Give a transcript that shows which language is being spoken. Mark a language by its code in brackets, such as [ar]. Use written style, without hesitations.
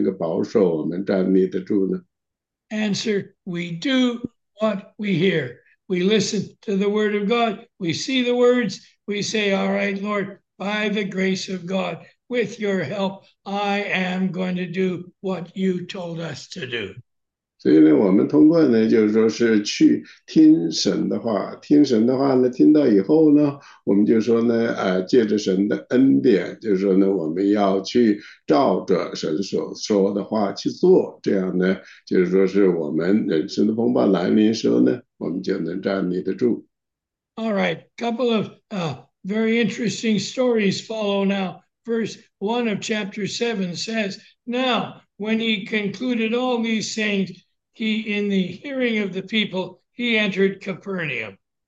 [zh] 所以呢，我们只怎样去从神那里呢，获得这样的力量，就获得这样的保护。当我们的人生出现风暴的时候呢，神能够保守我们，站立得住呢。 [en] Answer, we do what we hear. We listen to the word of God. We see the words. We say, all right, Lord, by the grace of God, with your help, I am going to do what you told us to do. [zh] 所以呢，我们通过呢，就是说是去听神的话，听神的话呢，听到以后呢，我们就说呢，借着神的恩典，就是说呢，我们要去照着神所说的话去做，这样呢，就是说是我们人生的风暴来临时候呢，我们就能站立得住。 [en] All right, couple of very interesting stories follow now. Verse 1 of chapter 7 says, Now, when he concluded all these sayings, he, in the hearing of the people, he entered Capernaum.